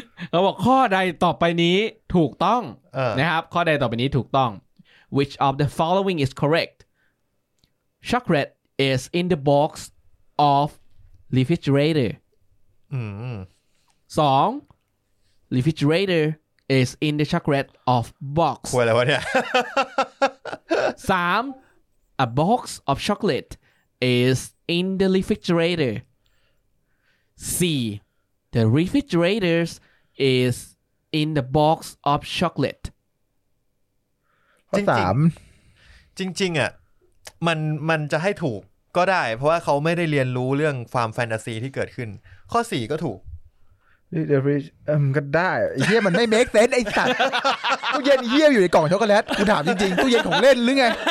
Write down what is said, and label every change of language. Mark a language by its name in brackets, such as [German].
[English] เราบอกข้อใดต่อไปนี้ถูกต้อง นะครับข้อใดต่อไปนี้ถูกต้อง Which of the following is correctChocolate is in the box of refrigerator. 2. Refrigerator is in the chocolate of box. [Thai] ว่าอะไรวะเนี่ย 3. [English] A box of chocolate is in the refrigerator. 4. The refrigerator is in the box of chocolate. 3. [Thai] จริงๆอ่ะมันจะให้ถูกก็ได้เพราะว่าเขาไม่ได้เรียนรู้เรื่องความแฟนตาซีที่เกิดขึ้นข้อ4ก็ถูก นี่เดี๋ยวพี่ก็ได้ไอ้เหี้ยมันไม่เมคเซนส์ไอ้สัตว์ตู้เย็นเหี้ยอยู่ในกล่องช็อกโกแลตกูถามจริงๆตู้เย็นของเล่นหรือไง